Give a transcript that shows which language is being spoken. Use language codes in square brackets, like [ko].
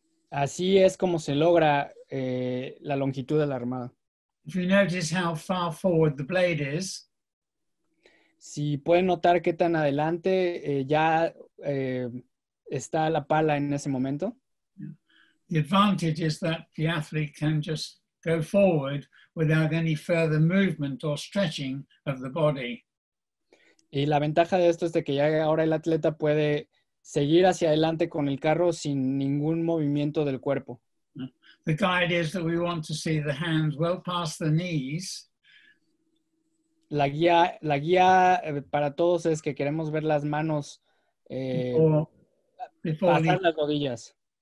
[es] Así es como se logra la longitud de la remada. [en] If you notice how far forward the blade is, [es] si pueden notar qué tan adelante ya está la pala en ese momento. [en] The advantage is that the athlete can just go forward without any further movement or stretching of the body. [es] Y la ventaja de esto es de que ya ahora el atleta puede seguir hacia adelante con el carro sin ningún movimiento del cuerpo. [en] The guide is that we want to see the hands well past the knees. [es] La guía para todos es que queremos ver las manos pasar las rodillas.